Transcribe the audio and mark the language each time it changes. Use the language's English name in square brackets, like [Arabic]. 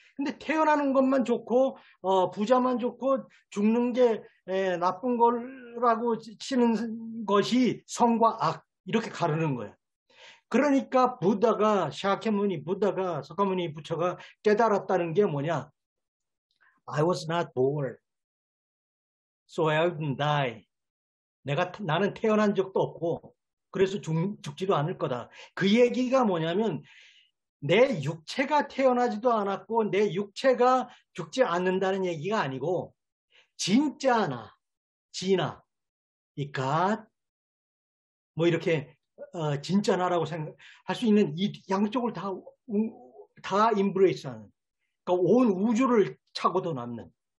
[Korean] 근데 태어나는 것만 좋고 부자만 좋고 죽는 게 나쁜 거라고 치는 것이 선과 악 이렇게 가르는 거야. 그러니까 부다가 샤케무니 부다가 석가모니 부처가 깨달았다는 게 뭐냐? [English] I was not born, so I didn't die. [Korean] 나는 태어난 적도 없고 그래서 죽지도 않을 거다. 그 얘기가 뭐냐면. 내 육체가 태어나지도 않았고, 내 육체가 죽지 않는다는 얘기가 아니고, 진짜 나, 진아, 이 갓, 뭐 이렇게, 진짜 나라고 생각할 수 있는 이 양쪽을 다 임브레이스하는, 그러니까 온 우주를 차고도 남는,